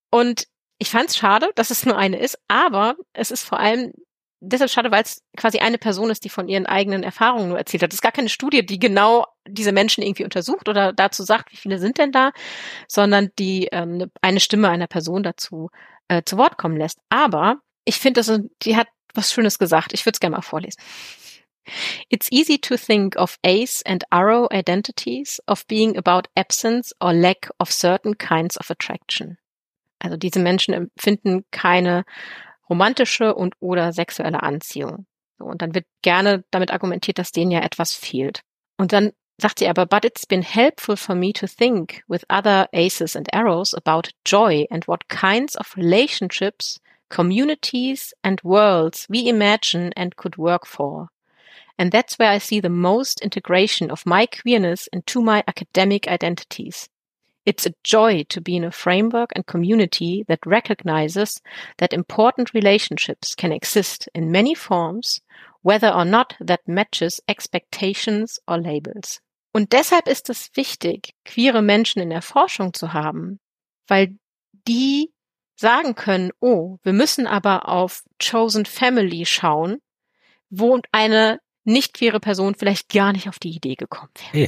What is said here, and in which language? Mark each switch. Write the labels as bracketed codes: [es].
[de] Und ich fand es schade, dass es nur eine ist, aber es ist vor allem deshalb schade, weil es quasi eine Person ist, die von ihren eigenen Erfahrungen nur erzählt hat. Es ist gar keine Studie, die genau diese Menschen irgendwie untersucht oder dazu sagt, wie viele sind denn da, sondern die eine Stimme einer Person dazu zu Wort kommen lässt. Aber ich finde, die hat was Schönes gesagt. Ich würde es gerne mal vorlesen. [en] It's easy to think of ace and arrow identities of being about absence or lack of certain kinds of attraction. [de] Also diese Menschen empfinden keine romantische und oder sexuelle Anziehung. So, und dann wird gerne damit argumentiert, dass denen ja etwas fehlt. Und dann sagt sie aber, [en] but it's been helpful for me to think with other aces and arrows about joy and what kinds of relationships, communities and worlds we imagine and could work for. And that's where I see the most integration of my queerness into my academic identities. It's a joy to be in a framework and community that recognizes that important relationships can exist in many forms, whether or not that matches expectations or labels. [de] Und deshalb ist es wichtig, queere Menschen in der Forschung zu haben, weil die sagen können, oh, wir müssen aber auf Chosen Family schauen, wo eine nicht queere Person vielleicht gar nicht auf die Idee gekommen wäre.